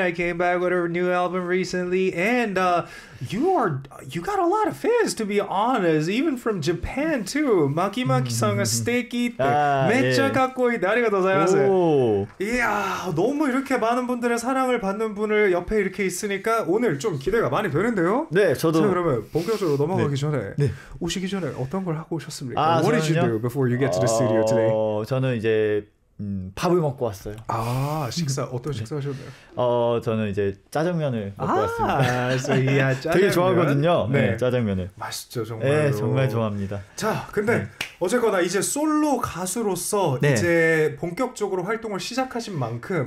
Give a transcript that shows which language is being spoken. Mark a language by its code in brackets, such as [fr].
[en] I came back with a new album recently, and you got a lot of fans, to be honest, even from Japan too. [ko] Maki Maki song, Sticky. 진짜 갖고 있다. 감사합니다. 이야, 너무 이렇게 많은 분들의 사랑을 받는 분을 옆에 이렇게 있으니까 오늘 좀 기대가 많이 되는데요. 네, 저도. 자, 그러면 본격적으로 넘어가기 네. 전에 네. 오시기 전에 어떤 걸 하고 오셨습니까? [en] What did you do before you get to the studio today? [ko] 저는 이제 밥을 먹고 왔어요. 아, 식사 어떤 식사 하셨나요? 저는 이제 짜장면을 먹고 왔습니다. 아, 그래서 이 짜장면 되게 좋아하거든요. 네. 네, 짜장면을. 맛있죠, 정말로. 네, 정말 좋아합니다. 자, 근데 네. 어쨌거나 이제 솔로 가수로서 네. 이제 본격적으로 활동을 시작하신 만큼